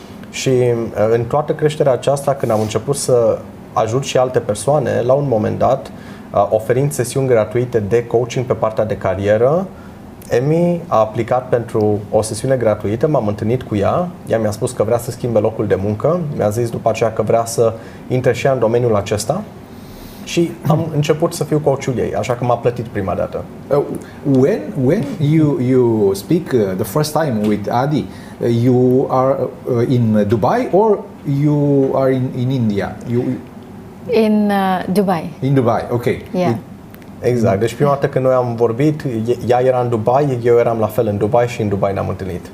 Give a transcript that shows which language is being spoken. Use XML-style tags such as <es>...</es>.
<ro>Și în toată creșterea aceasta, când am început să ajut și alte persoane, la un moment dat, oferind sesiuni gratuite de coaching pe partea de carieră, Amy a aplicat pentru o sesiune gratuită, m-am întâlnit cu ea, ea mi-a spus că vrea să schimbe locul de muncă, mi-a zis după aceea că vrea să intre și ea în domeniul acesta și am început să fiu coachul ei, așa că m-a plătit prima dată.</ro> <en>When you speak the first time with Adi, you are in Dubai or you are in India? In Dubai. In Dubai, ok. Yeah.</en> <ro>Exact. Deci prima dată când noi am vorbit, ea era în Dubai, eu eram la fel în Dubai și în Dubai ne-am întâlnit.</ro>